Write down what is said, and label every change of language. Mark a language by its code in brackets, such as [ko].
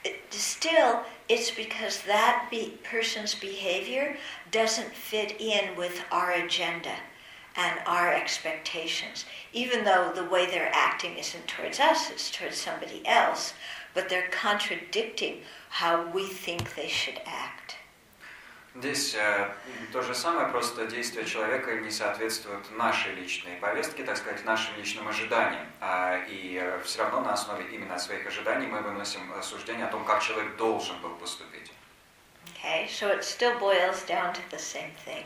[en] Still, it's because that person's behavior doesn't fit in with our agenda and our expectations. Even though the way they're acting isn't towards us, it's towards somebody else. But they're contradicting how we think they should act. [ru] Здесь то же самое, просто действия человека не соответствуют нашей личной повестке, так сказать, нашим личным ожиданиям. И все равно на основе именно своих ожиданий мы выносим суждение о том, как человек должен был поступить. [en] Okay. Okay, so it still boils down to the same thing.